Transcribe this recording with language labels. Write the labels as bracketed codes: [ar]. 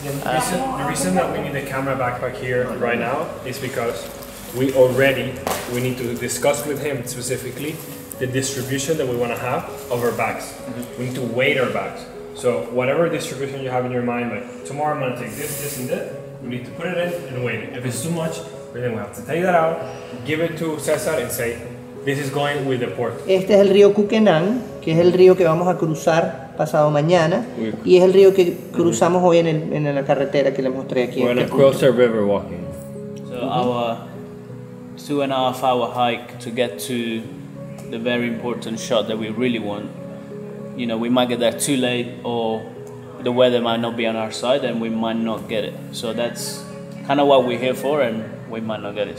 [en] The reason that we need a camera backpack here right now is because we need to discuss with him specifically the distribution that we want to have of our bags. Mm-hmm. We need to weight our bags. So whatever distribution you have in your mind, like tomorrow I'm going to take this, this and this, we need to put it in and weight it. If it's too much, then we have to take that out, give it to César and say, this is going with the port. [es] Este es el río Cuquenán, que es el río que vamos a cruzar pasado mañana. Y es el río que cruzamos hoy en la carretera que le mostré aquí. [en] We're going to cross the river walking. So our 2.5 hour hike to get to the very important shot that we really want. You know, we might get there too late or the weather might not be on our side and we might not get it. So that's kind of what we're here for and we might not get it.